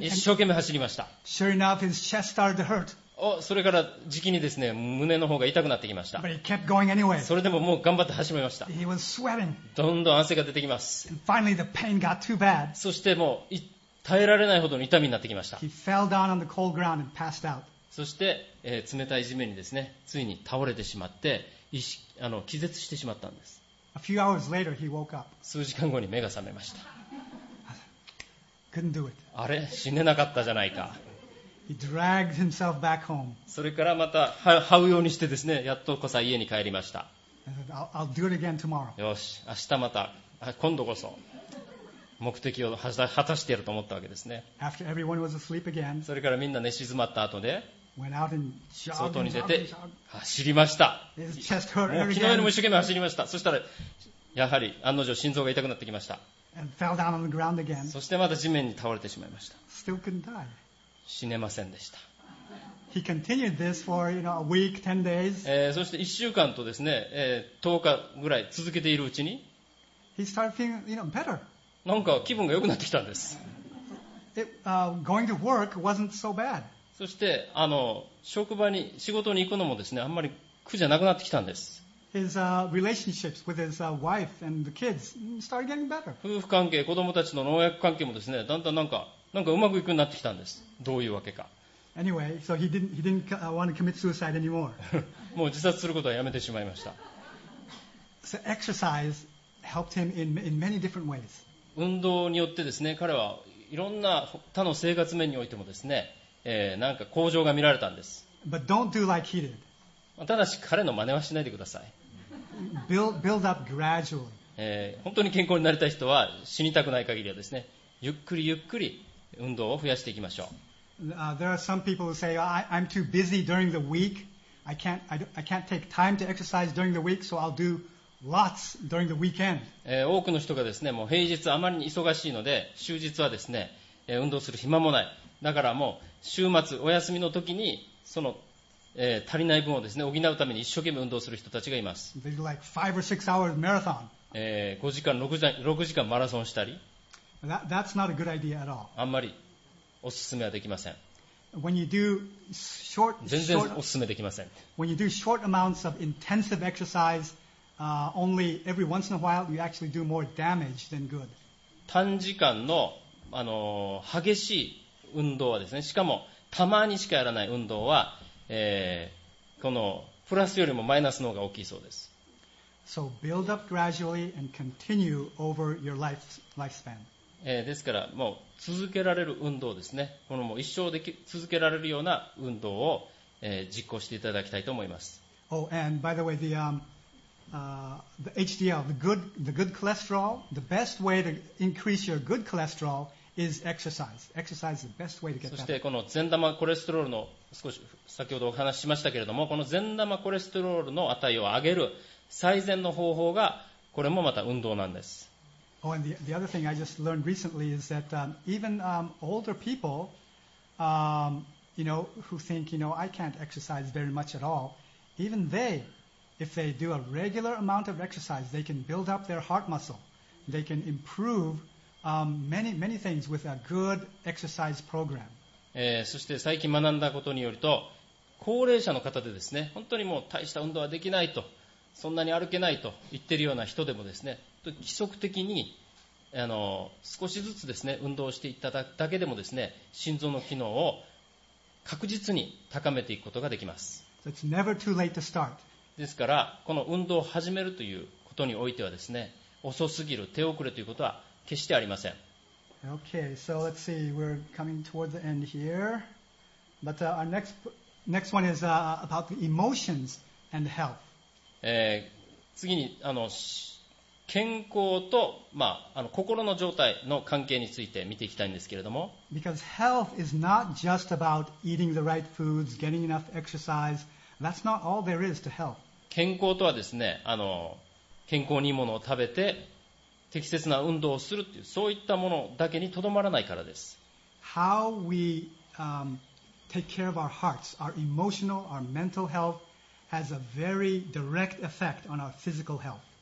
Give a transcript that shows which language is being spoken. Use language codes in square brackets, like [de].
[ja] 一生懸命走りました。 [en] Sure enough, his chest started to hurt. [ja] それから時期にですね、胸の方が痛くなってきました。 [en] But he kept going anyway. [ja] それでももう頑張って始めました。 [en] He was sweating. [ja] どんどん汗が出てきます。 [en] And finally, the pain got too bad. [ja] そしてもう耐えられないほどの痛みになってきました。 [en] He fell down on the cold ground and passed out. [ja] そして、冷たい地面にですね、ついに倒れてしまって気絶してしまったんです。 [en] A few hours later, he woke up. [ja] 数時間後に目が覚めました。 [en] Couldn't do it. [ja] あれ、死ねなかったじゃないか。 [en] He dragged himself back home. [ja] それからまた這うようにしてですね、やっとこさ家に帰りました。 [en] I'll do it again tomorrow. [ja] よし、明日また、今度こそ目的を果たしてやると思ったわけですね。 [en] After everyone was asleep again, [ja] それからみんな寝静まった後で、 [en] went out and jogged, [ja] 外に出て走りました。 [en] His chest hurt again. [ja] 昨日よりも一生懸命走りました。そしたらやはり案の定心臓が痛くなってきました。 [en] and fell down on the ground again. [ja] そしてまた地面に倒れてしまいました。 [en] Still couldn't die. [ja] 死ねませんでした。 [en] He continued this for, you know, a week, 10 days. [ja] そして1週間とですね、10日ぐらい続けているうちに、 [en] He started feeling, you know, better. [ja] なんか気分が良くなってきたんです。 [en] going to work wasn't so bad. [ja] そして職場に仕事に行くのもですね、あんまり苦じゃなくなってきたんです。 [en] His relationships with his wife and the kids started getting better. [ja] 夫婦関係、子供たちの農薬関係もですね、だんだんなんかうまくいくようになってきたんです。どういうわけか。 [en] Anyway, so he didn't want to commit suicide anymore. [ja] もう自殺することはやめてしまいました。 [en] So exercise helped him in many different ways. [ja] 運動によってですね、彼はいろんな他の生活面においてもですね、なんか向上が見られたんです。 [en] But don't do like he did. [ja] ただし彼の真似はしないでください。 [en] Build up gradually. [ja] 本当に健康になりたい人は死にたくない限りはですね、ゆっくりゆっくり運動を増やしていきましょう。 [en] There are some people who say, I'm too busy during the week. I can't take time to exercise during the week, so I'll do lots during the weekend. [ja] 多くの人がですね、もう平日あまりに忙しいので、週日はですね、運動する暇もない。だからもう週末お休みの時にその、足りない分をですね、補うために一生懸命運動する人たちがいます。 [en] They do like 5 or 6 hours marathon. [ja] 5時間、6時間マラソンしたり。 [en] That's not a good idea at all. [ja] あんまりおすすめはできません。 [en] When you do short, [ja] 全然おすすめできません。 [en] When you do short amounts of intensive exercise, only every once in a while, you actually do more damage than good. [ja] 短時間の激しい運動はですね、しかもたまにしかやらない運動は、このプラスよりもマイナスの方が大きいそうです。 [en] So build up gradually and continue over your lifespan. [ja] ですからもう続けられる運動ですね。このもう一生でき続けられるような運動を、実行していただきたいと思います。 [en] Oh, and by the way, the HDL, the good cholesterol, the best way to increase your good cholesterol is exercise. Exercise is the best way to get that. [ja] そしてこの善玉コレステロールの少し先ほどお話ししましたけれども、この善玉コレステロールの値を上げる最善の方法がこれもまた運動なんです。 [en] Oh, and the other thing I just learned recently is that even older people, you know, who think you know I can't exercise very much at all, even they. If they do a regular amount of exercise, they can build up their heart muscle. They can improve many, many things with a good exercise program. [ja] そして最近学んだことによると、高齢者の方でですね、本当にもう大した運動はできないと、そんなに歩けないと言ってるような人でもですね、規則的に少しずつですね、運動していただくだけでもですね、心臓の機能を確実に高めていくことができます。 [en] So it's never too late to start. [ja] ですからこの運動を始めるということにおいてはですね、遅すぎる手遅れということは決してありません。 [en] OK, so let's see, we're coming towards the end here. But our next one is about emotions and health. [ja] 次に健康と、心の状態の関係について見ていきたいんですけれども、 [en] Because health is not just about eating the right foods, getting enough exercise. That's not all there is to health. [ja] 健康とはですね、健康にいいものを食べて適切な運動をするっていう、そういったものだけにとどまらないからです。 [en] How we take care of our hearts, our emotional, our mental health has a very direct effect on our physical health.